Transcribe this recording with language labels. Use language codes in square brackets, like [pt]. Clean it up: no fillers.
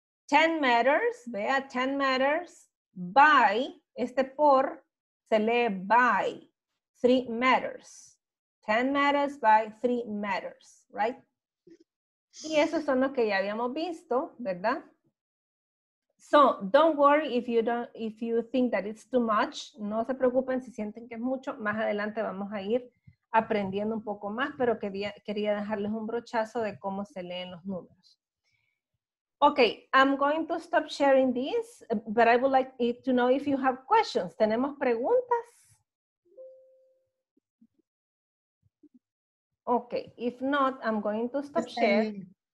[en] 10 meters, vea, 10 meters by, [es] este por se lee [en] by 3 meters. 10 meters by 3 meters, right? [es] Y esos son los que ya habíamos visto, ¿verdad? [en] So, don't worry if you think that it's too much. [es] No se preocupen si sienten que es mucho. Más adelante vamos a ir aprendiendo un poco más, pero quería dejarles un brochazo de cómo se leen los números. [en] Okay, I'm going to stop sharing this, but I would like to know if you have questions. [es] ¿Tenemos preguntas? [en] Okay, if not, I'm going to stop sharing.